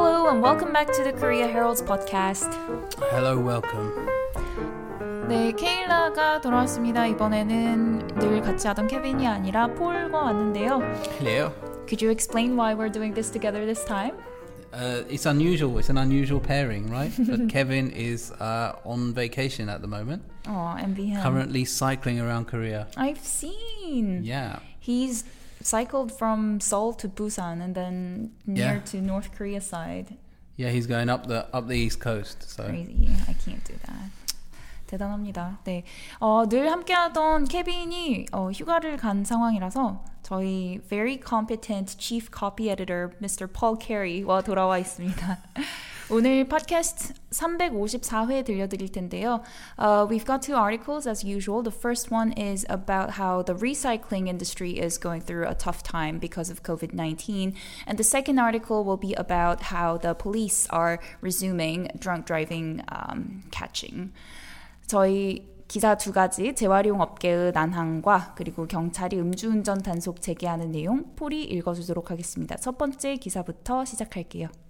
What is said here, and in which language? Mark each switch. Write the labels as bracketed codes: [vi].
[en] and welcome back to the Korea Herald's podcast. Hello, welcome. [ko] 네, 케일라가 돌아왔습니다. 이번에는 늘 같이 하던 케빈이 아니라 폴과 왔는데요. [en] Hello. Could you explain why we're doing this together this time? It's unusual. It's an unusual pairing, right? But Kevin is on vacation at the moment. Oh, envy him. Currently cycling around Korea. I've seen. Yeah. He's cycled from Seoul to Busan and then near to North Korea side. Yeah, he's going up the East Coast. So. Crazy. I can't do that. [ko] 대단합니다. 네. 늘 함께하던 케빈이 휴가를 간 상황이라서 저희 [en] very competent chief copy editor Mr. [ko] Paul Carey와 돌아와 있습니다. 오늘 팟캐스트 354회 들려드릴 텐데요. [en] We've got two articles as usual. The first one is about how the recycling industry is going through a tough time because of COVID-19. And the second article will be about how the police are resuming drunk driving catching. [ko] 저희 기사 두 가지, 재활용업계의 난항과 그리고 경찰이 음주운전 단속 재개하는 내용, 폴이 읽어주도록 하겠습니다. 첫 번째 기사부터 시작할게요.